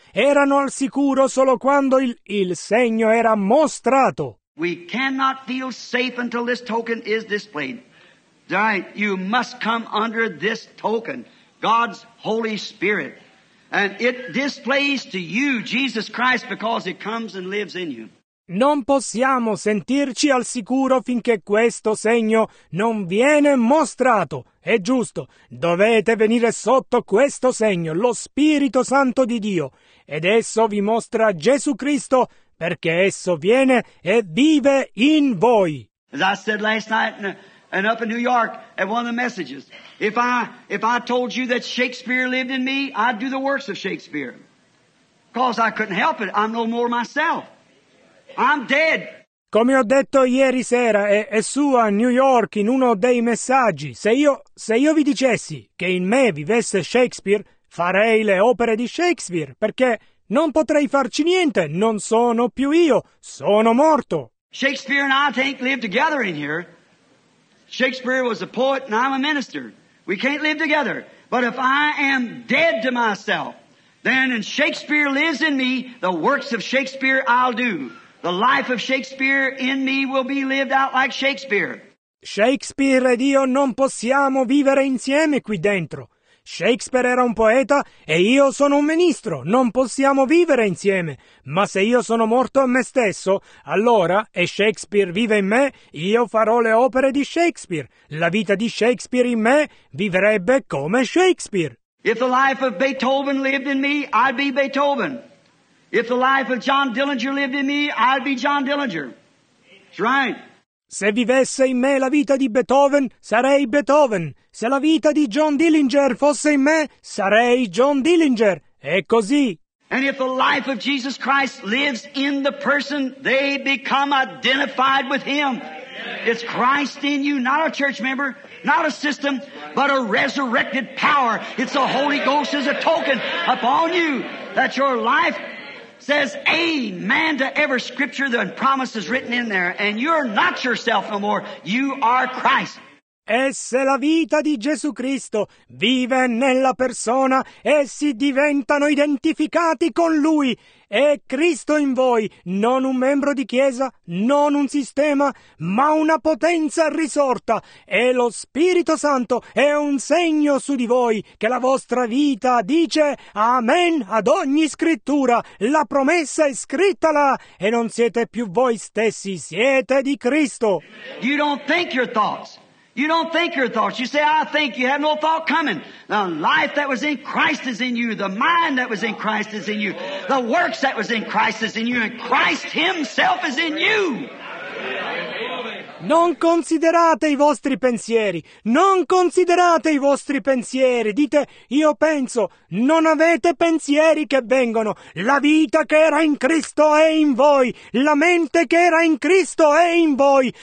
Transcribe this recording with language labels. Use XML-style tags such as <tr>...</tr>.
<it>Erano al sicuro solo quando il segno era mostrato.</it> <en>We cannot feel safe until this token is displayed. Right, you must come under this token, God's Holy Spirit. And it displays to you Jesus Christ because it comes and lives in you.</en> <it>Non possiamo sentirci al sicuro finché questo segno non viene mostrato. È giusto, dovete venire sotto questo segno, lo Spirito Santo di Dio. Ed esso vi mostra Gesù Cristo perché esso viene e vive in voi.</it> <en>As I said last night, and up in New York, at one of the messages, if I told you that Shakespeare lived in me, I'd do the works of Shakespeare. Because I couldn't help it. I'm no more myself. I'm dead.</en> <it>Come ho detto ieri sera, e su a New York, in uno dei messaggi, se io vi dicessi che in me vivesse Shakespeare, farei le opere di Shakespeare, perché non potrei farci niente, non sono più io, sono morto.</it> <en>Shakespeare and I can't live together in here. Shakespeare was a poet and I'm a minister. We can't live together. But if I am dead to myself, then and Shakespeare lives in me, the works of Shakespeare I'll do. The life of Shakespeare in me will be lived out like Shakespeare.</en> <it>Shakespeare ed io non possiamo vivere insieme qui dentro. Shakespeare era un poeta e io sono un ministro. Non possiamo vivere insieme. Ma se io sono morto a me stesso, allora, e Shakespeare vive in me, io farò le opere di Shakespeare. La vita di Shakespeare in me vivrebbe come Shakespeare.</it> <en>If the life of Beethoven lived in me, I'd be Beethoven. If the life of John Dillinger lived in me, I'd be John Dillinger. That's right.</en> <it>Se vivesse in me la vita di Beethoven, sarei Beethoven. Se la vita di John Dillinger fosse in me, sarei John Dillinger. È così.</it> <en>And if the life of Jesus Christ lives in the person, they become identified with him. It's Christ in you, not a church member, not a system, but a resurrected power. It's the Holy Ghost as a token upon you that your life says amen to every scripture and promise is written in there, and you're not yourself no more, you are Christ.</en> <it>E se la vita di Gesù Cristo vive nella persona, essi diventano identificati con Lui. È Cristo in voi, non un membro di chiesa, non un sistema, ma una potenza risorta. E lo Spirito Santo è un segno su di voi che la vostra vita dice amen ad ogni scrittura. La promessa è scritta là e non siete più voi stessi, siete di Cristo.</it> <en>You don't think your thoughts. You don't think your thoughts. You say, I think. You have no thought coming. The life that was in Christ is in you. The mind that was in Christ is in you. The works that was in Christ is in you. And Christ himself is in you.</en> <it>Non considerate i vostri pensieri. Non considerate i vostri pensieri. Dite, io penso. Non avete pensieri che vengono. La vita che era in Cristo è in voi. La mente che era in Cristo è in voi.</it>